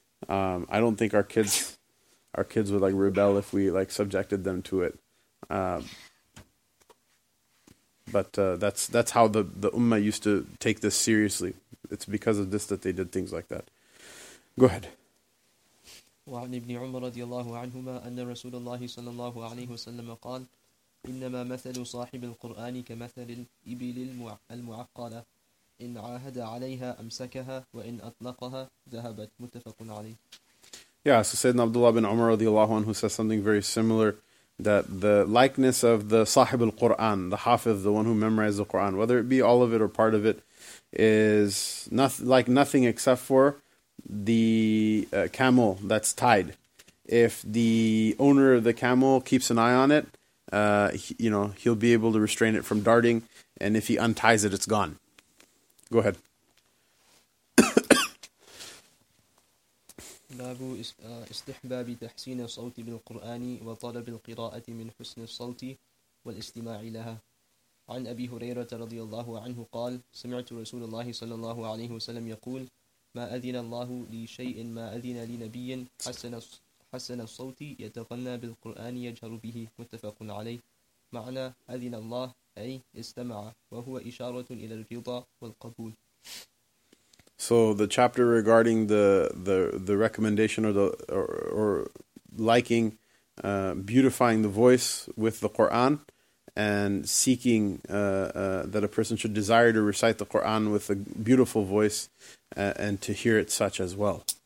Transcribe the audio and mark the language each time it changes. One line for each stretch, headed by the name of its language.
English: I don't think our kids would like rebel if we like subjected them to it. But that's how the ummah used to take this seriously. It's because of this that they did things like that. Go ahead.
Arabic: وعن ابن عمر رضي الله عنهما أن رسول الله صلى الله عليه وسلم قال إنما مثل صاحب القرآن كمثل الإبل المعقلة إن عاهد عليها أمسكها وإن أطلقها ذهبت. متفق عليه.
English: Yeah, so Sayyidina Abdullah bin Umar radiallahu anhu says something very similar, that the likeness of the Sahib al-Quran, the Hafiz, the one who memorized the Quran, whether it be all of it or part of it, is nothing except for the camel that's tied. If the owner of the camel keeps an eye on it, he'll be able to restrain it from darting, and if he unties it, it's gone. Go ahead.
Arabic: باب استحباب تحسين صوت بالقرآن وطلب القراءة من حسن الصوت والاستماع لها. عن أبي هريرة رضي الله عنه قال سمعت رسول الله صلى الله عليه وسلم يقول ما أذن الله لشيء ما أذن لنبي حسن الصوت يتغنى بالقرآن يجهر به متفق عليه معنى أذن الله أي استمع وهو إشارة إلى الرضا والقبول.
English: So the chapter regarding the recommendation or liking, beautifying the voice with the Quran, and seeking that a person should desire to recite the Quran with a beautiful voice, and to hear it such as well.